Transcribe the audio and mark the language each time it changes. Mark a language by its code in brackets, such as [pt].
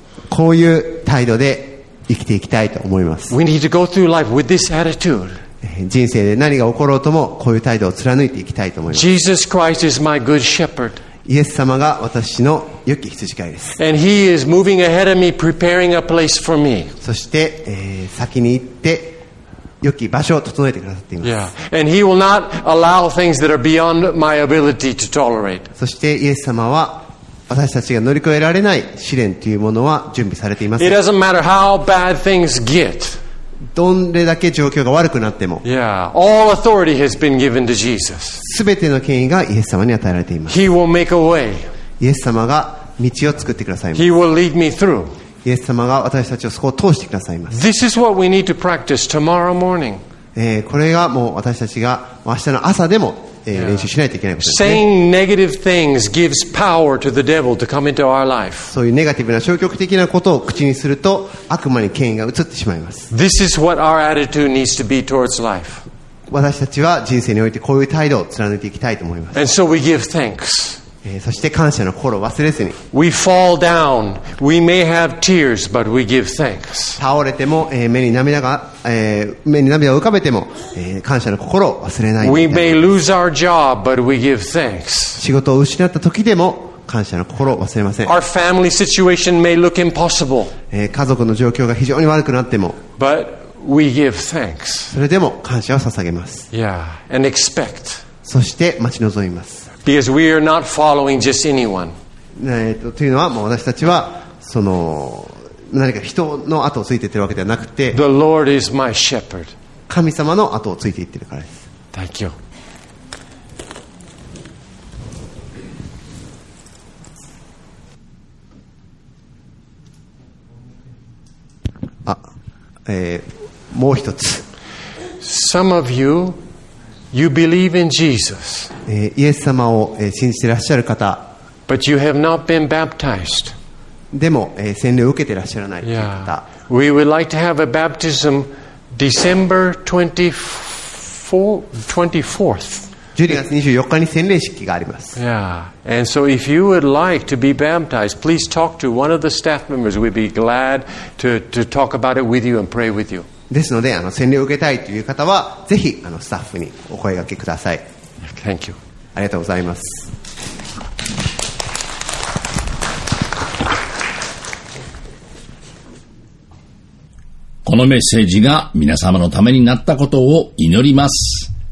[ja] こういう態度で生きていきたいと思います。 [en] We need to go through life with this attitude. [ja] 人生で何が起ころうともこういう態度を貫いていきたいと思います。 [en] Jesus Christ is my good shepherd. [ja] イエス様が私の良き羊飼いです。 [en] And he is moving ahead of me, preparing a place for me. [ja] そして、先に行って良き場所を整えてくださっています。 [en] Yeah. And he will not allow things that are beyond my ability to tolerate. [ja] そしてイエス様は私たちが乗り越えられない試練というものは準備されています。 [en] It doesn't matter how bad things get. [ja] どんれだけ状況が悪くなっても。 [en] Yeah. All authority has been given to Jesus. [ja] すべての権威がイエス様に与えられています。 [en] He will make a way. [ja] イエス様が道を作ってくださいます。 [en] He will lead me through. [ja] イエス様が私たちをそこを通してくださいます。 [en] This is what we need to practice tomorrow morning. [ja] これがもう私たちが明日の朝でも練習しないといけないことですね。 [en] negative things gives power to the devil to come into our life. [ja] そういうネガティブな消極的なことを口にすると悪魔に権威が移ってしまいます。 [en] This is what our attitude needs to be towards life. [ja] 私たちは人生においてこういう態度を貫いていきたいと思います。 [en] And so we give thanks. [ja] そして感謝の心を忘れずに。 [en] We fall down. We may have tears, but we give thanks. [ja] 倒れても、目に涙を浮かべても、感謝の心を忘れない。 [en] We may lose our job, but we give thanks. [ja] 仕事を失った時でも感謝の心を忘れません。 [en] Our family situation may look impossible. [ja] 家族の状況が非常に悪くなっても、 [en] but we give thanks. [ja] それでも感謝を捧げます。 [en] Yeah, and expect. [ja] そして待ち望みます。 [en] Because we are not following just anyone. [ja] というのは、もう私たちはその何か人の後をついていってるわけではなくて、 [en] The Lord is my shepherd. [ja] 神様の後をついていってるからです。 [en] Thank you. [ja] あ、もう一つ。 [en] Some of you, you believe in Jesus. [ja] イエス様を信じてらっしゃる方、 [en] But you have not been baptized. [ja] でも、洗礼を受けてらっしゃらない方。 [en] Yeah. We would like to have a baptism December 24th. [ja] 12月24日に洗礼式があります。 [en] Yeah. And so if you would like to be baptized, please talk to one of the staff members. We'd be glad to talk about it with you and pray with you. [ja] ですので、洗礼を受けたいという方は、ぜひスタッフにお声掛けください。 [en] Thank you. [ja] ありがとうございます。このメッセージが皆様のためになったことを祈ります。